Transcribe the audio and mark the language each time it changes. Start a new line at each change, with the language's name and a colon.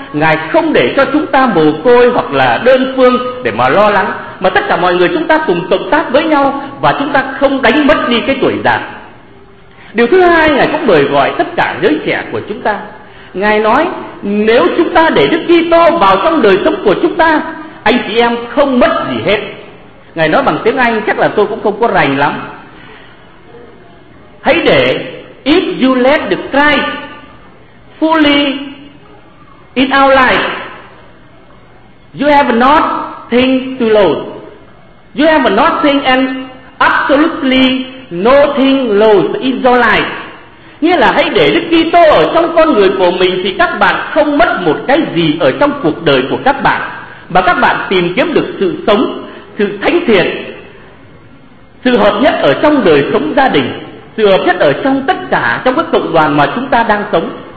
Vietnamese: Ngài không để cho chúng ta mồ côi hoặc là đơn phương để mà lo lắng, mà tất cả mọi người chúng ta cùng cộng tác với nhau, và chúng ta không đánh mất đi cái tuổi già. Điều thứ hai, Ngài cũng mời gọi tất cả giới trẻ của chúng ta. Ngài nói nếu chúng ta để Đức Kitô vào trong đời sống của chúng ta, anh chị em không mất gì hết. Ngài nói bằng tiếng Anh, chắc là tôi cũng không có rành lắm. Hãy để,
English: if you let the Christ fully in our life, you have nothing to lose. You have nothing and absolutely nothing lose in your life.
Vietnamese: Nghĩa là hãy để Đức Kitô ở trong con người của mình, thì các bạn không mất một cái gì ở trong cuộc đời của các bạn, mà các bạn tìm kiếm được sự sống, sự thánh thiện, sự hợp nhất ở trong đời sống gia đình, sự hợp nhất ở trong tất cả trong các cộng đoàn mà chúng ta đang sống.